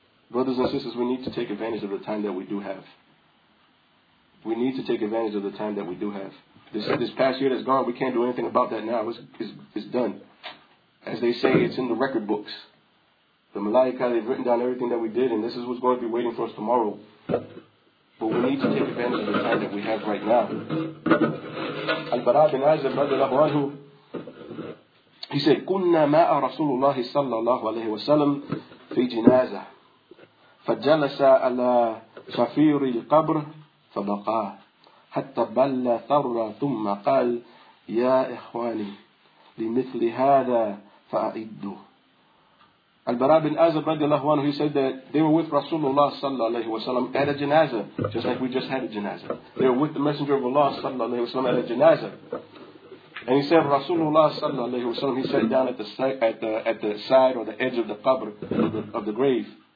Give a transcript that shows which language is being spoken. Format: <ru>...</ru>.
<en>Brothers and sisters, we need to take advantage of the time that we do have. We need to take advantage of the time that we do have. This past year that's gone, we can't do anything about that now. It's done. As they say, it's in the record books. The Malaika, they've written down everything that we did, and this is what's going to be waiting for us tomorrow. But we need to take advantage of the time that we have right now.</en> <ar>Al-Bara bin Azib, radiallahu anhu, he said, كُنَّا مَاءَ رَسُولُ اللَّهِ صَلَّى اللَّهُ عَلَيْهِ وَسَلَّمْ فِي جِنَازَةً فجلس على شفير القبر فبقى حتى بل ثر ثم قال يا إخواني لمثل هذا فأعدوا.</ar> <en>Al-Bara bin Azib radiallahu anhu, he said that they were with Rasulullah sallallahu alayhi wa sallam at a janazah, just like we just had a janazah. They were with the Messenger of Allah sallallahu alayhi wa sallam at a janazah. And he said, Rasulullah sallallahu alayhi wa sallam, he sat down at the side or the edge of the qabr, of the grave.</en>